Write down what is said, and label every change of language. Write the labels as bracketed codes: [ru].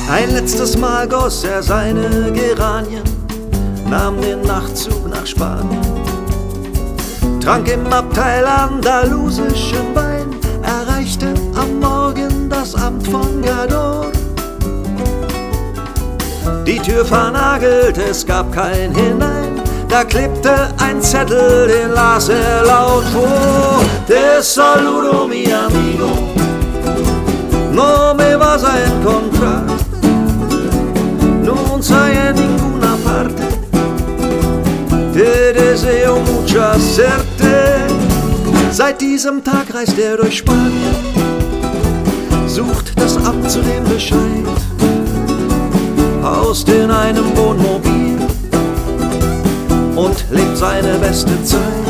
[de] Letztes Mal goss er seine Geranien, nahm den Nachtzug nach Spanien, trank im Abteil andalusischen Wein, erreichte am Morgen das Amt von Gador. Die Tür vernagelt, es gab kein Hinein, da klebte ein Zettel, den las er laut vor. [es] Te saludo, mi amigo, no me vas a encontrar, nun sei en ninguna parte, te deseo mucha suerte. [de] Seit diesem Tag reist er durch Spanien, sucht das Amt zu dem Bescheid, haust in einem Wohnmobil und lebt seine beste Zeit.